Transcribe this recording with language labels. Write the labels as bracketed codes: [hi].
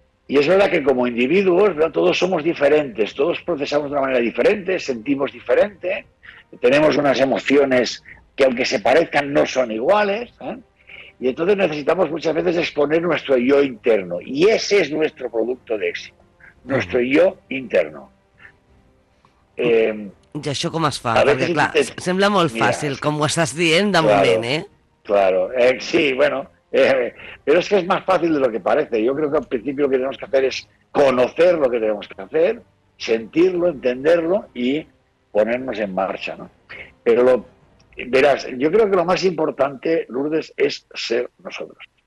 [es] Y es verdad que como individuos, ¿verdad?, todos somos diferentes, todos procesamos de una manera diferente, sentimos diferente, tenemos unas emociones que aunque se parezcan no son iguales, ¿eh? Y entonces necesitamos muchas veces exponer nuestro yo interno, y ese es nuestro producto de éxito, nuestro yo interno. [ca] ¿Y això com es fa? [es] Porque, claro, [ca] sembla molt fàcil, com ho estàs dient de moment, ¿eh? [es] Claro, sí, bueno... pero es que es más fácil de lo que parece. Yo creo que al principio lo que tenemos que hacer es conocer lo que tenemos que hacer, sentirlo, entenderlo y ponernos en marcha, ¿no? Pero yo creo que lo más importante, Lourdes, es ser nosotros.